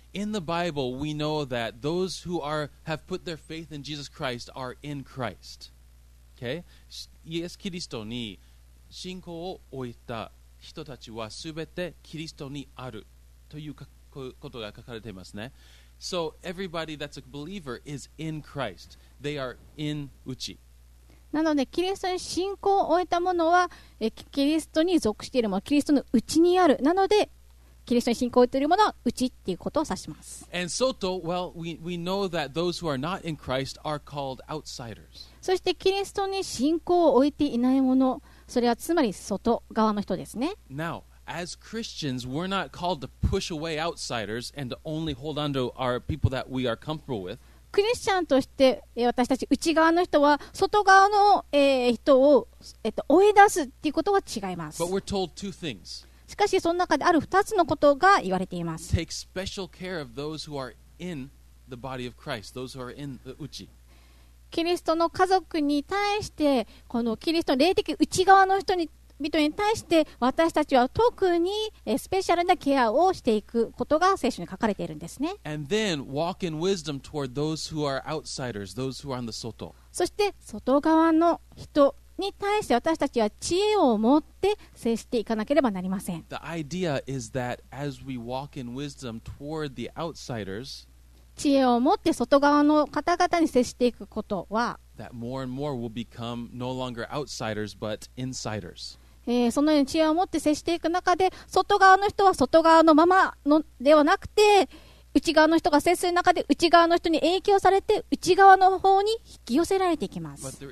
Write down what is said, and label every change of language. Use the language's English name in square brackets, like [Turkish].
[English] In the Bible, we know that those who have put their faith in Jesus Christ are in Christ. Okay? [Japanese] イエス・キリストに信仰を置いた人たちはすべてキリストにあるということが書かれていますね。 [English] So, everybody that's a believer is in Christ. They are in うち。 [Japanese] なので、キリストに信仰を置いた者はキリストに属しているもの、キリストのうちにある。なので、キリストに信仰を置いているものはうちっていうことを指します。 [English] And soto, well, we know that those who are not in Christ are called outsiders. [Japanese] そしてキリストに信仰を置いていないもの、それはつまり外側の人ですね。 [English] Now, as Christians, we're not called to push away outsiders and to only hold on to our people that we are comfortable with. [Japanese] クリスチャンとして私たち内側の人は外側の人を追い出すっていうことは違います。 [English] But we're told two things. [Japanese] しかしその中である二つのことが言われています。 [English] Take special care of those who are in the body of Christ, those who are in the uchi. [Japanese] キリストの家族に対してこのキリストの霊的内側の人に対して私たちは特にスペシャルなケアをしていくことが聖書に書かれているんですね。 [English] And then walk in wisdom toward those who are outsiders, those who are on the soto. [Japanese] そして外側の人に対して私たちは知恵を持って接していかなければなりません。 [English] The idea is that as we walk in wisdom toward the outsiders, [Japanese] 知恵を持って外側の方々に接していくことは、 [English] that more and more will become no longer outsiders but insiders. [Japanese] そのように知恵を持って接していく中で、外側の人は外側のままのではなくて、内側の人が接する中で内側の人に影響されて内側の方に引き寄せられていきます。